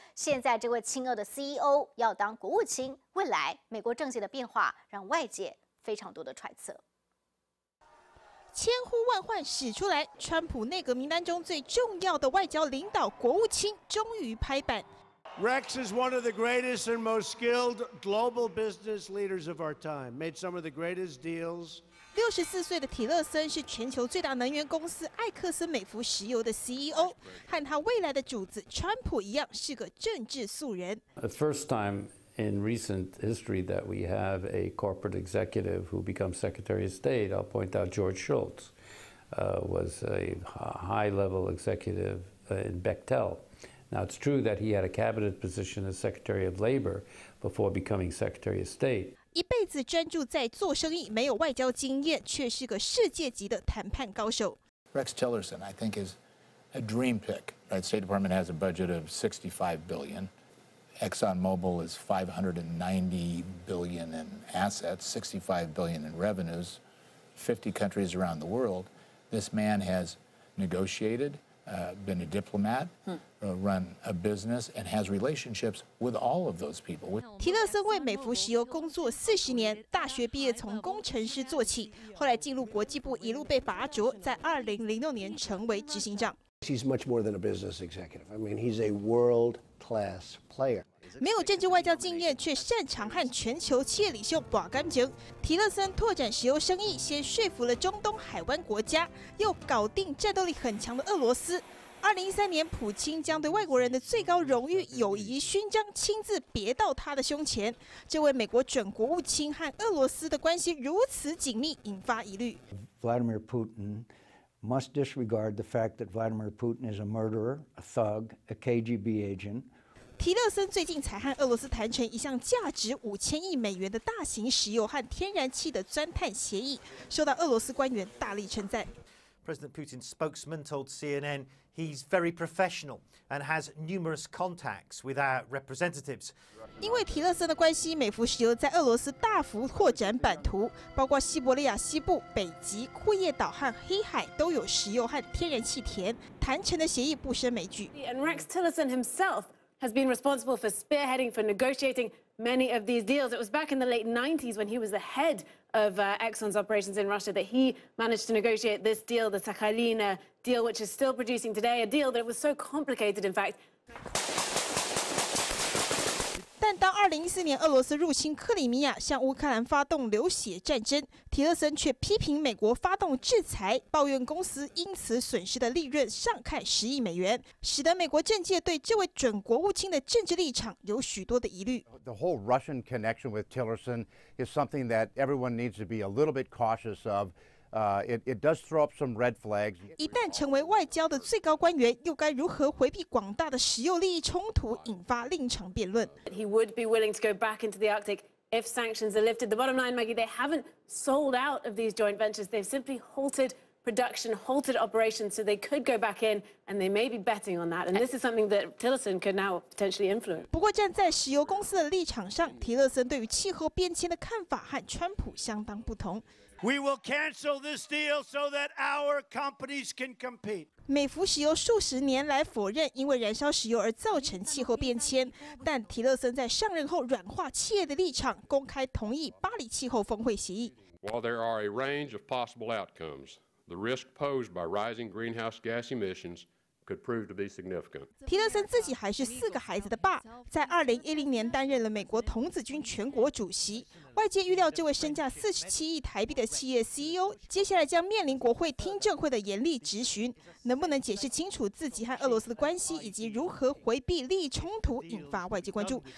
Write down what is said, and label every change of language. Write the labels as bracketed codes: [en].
[zh] 现在这位亲俄的 CEO 要当国务卿，未来美国政界的变化让外界非常多的揣测。千呼万唤始出来，川普内阁名单中最重要的外交领导国务卿终于拍板。 [en] Rex is one of the greatest and most skilled global business leaders of our time. Made some of the greatest deals. [zh] 64岁的提勒森是全球最大能源公司埃克森美孚石油的 CEO， 和他未来的主子川普一样，是个政治素人。 [en] The first time in recent history that we have a corporate executive who becomes Secretary of State. I'll point out George Shultz was a high-level executive in Bechtel. Now, it's true that he had a cabinet position as Secretary of Labor before becoming Secretary of State. [zh] 一辈子专注在做生意，没有外交经验，却是个世界级的谈判高手。 [en] Rex Tillerson, I think, is a dream pick. Right? State Department has a budget of $65 billion. ExxonMobil is $590 billion in assets, $65 billion in revenues, 50 countries around the world. This man has negotiated, been a diplomat, run a business, and has relationships with all of those people. [zh] 提勒森为美孚石油工作40年，大学毕业从工程师做起，后来进入国际部，一路被拔擢，在2006年成为执行长。 [en] He's much more than a business executive. I mean, he's a world-class player. [zh] 没有政治外交经验，却擅长和全球企业领袖把干净。提勒森拓展石油生意，先说服了中东海湾国家，又搞定战斗力很强的俄罗斯。 2013年，普京将对外国人的最高荣誉友谊勋章亲自别到他的胸前。这位美国准国务卿和俄罗斯的关系如此紧密，引发疑虑。 [en] Vladimir Putin. Must disregard the fact that Vladimir Putin is a murderer, a thug, a KGB agent. [zh] 提勒森最近才和俄罗斯谈成一项价值5000亿美元的大型石油和天然气的钻探协议，受到俄罗斯官员大力称赞。 [en] President Putin's spokesman told CNN he's very professional and has numerous contacts with our representatives. [zh] 因为提勒森的关系，美孚石油在俄罗斯大幅扩展版图，包括西伯利亚西部、北极、库页岛和黑海都有石油和天然气田。谈成的协议不胜枚举。 [en] And Rex Tillerson himself has been responsible for spearheading for negotiating many of these deals. It was back in the late 90s when he was the head. Of Exxon's operations in Russia, that he managed to negotiate this deal, the Sakhalin deal, which is still producing today, a deal that was so complicated, in fact. [zh] 但当2014年俄罗斯入侵克里米亚，向乌克兰发动流血战争，提勒森却批评美国发动制裁，抱怨公司因此损失的利润上看10亿美元，使得美国政界对这位准国务卿的政治立场有许多的疑虑。 [en] The whole Russian connection with Tillerson is something that everyone needs to be a little bit cautious of. It does throw up some red flags. [zh] 一旦成为外交的最高官员，又该如何回避广大的石油利益冲突，引发另一场辩论。 [en] He would be willing to go back into the Arctic if sanctions are lifted. The bottom line, Maggie, they haven't sold out of these joint ventures. They've simply halted production, halted operations, so they could go back in, and they may be betting on that. And this is something that Tillerson could now potentially influence. [zh] 不过，站在石油公司的立场上，提勒森对于气候变迁的看法和川普相当不同。 [en] We will cancel this deal so that our companies can compete. [zh] 美孚石油数十年来否认因为燃烧石油而造成气候变迁，但提勒森在上任后软化企业的立场，公开同意巴黎气候峰会协议。 [en] While there are a range of possible outcomes, the risk posed by rising greenhouse gas emissions. Could prove to be significant. [zh] 提勒森自己还是4个孩子的爸，在2010年担任了美国童子军全国主席。外界预料这位身价47亿台币的企业 CEO 接下来将面临国会听证会的严厉质询，能不能解释清楚自己和俄罗斯的关系，以及如何回避利益冲突，引发外界关注。